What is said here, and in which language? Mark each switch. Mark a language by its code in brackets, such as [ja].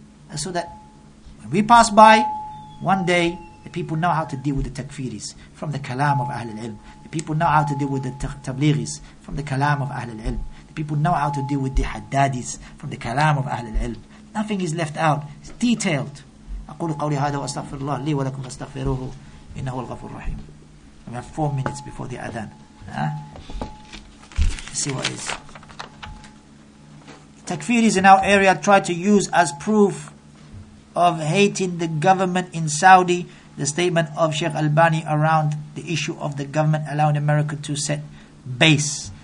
[en] And so that when we pass by, one day, the people know how to deal with the takfiris from the kalam of Ahlul Ilm. The people know how to deal with the tablighis from the kalam of Ahlul Ilm. The people know how to deal with the haddadis from the kalam of Ahlul Ilm. Nothing is left out. It's detailed. [ar] أقول قولي هذا وأستغفر الله لي ولكم فاستغفروه إنه هو الغفور الرحيم. [en] We have 4 minutes before the adhan. Let's see what is. Takfiris in our area try to use as proof of hating the government in Saudi the statement of Sheikh Albani around the issue of the government allowing America to set base.